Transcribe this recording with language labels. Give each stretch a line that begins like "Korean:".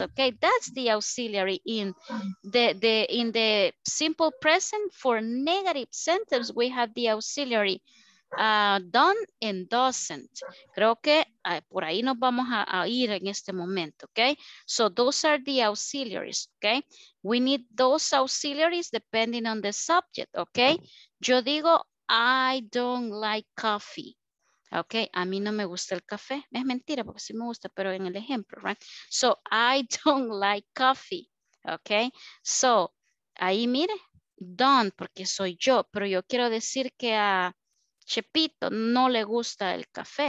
English: Okay, that's the auxiliary in the simple present for negative sentence. We have the auxiliary done and doesn't.
Spanish: Creo que por ahí nos vamos a ir en este momento, okay?
English: So those are the auxiliaries, okay? We need those auxiliaries depending on the subject, okay? Yo digo, I don't like coffee.
Spanish: Ok, a mí no me gusta el café. Es mentira porque sí me gusta, pero en el ejemplo, right? So, I don't like coffee. Ok, so, ahí mire, don't, porque soy yo, pero yo quiero decir que a Chepito no le gusta el café.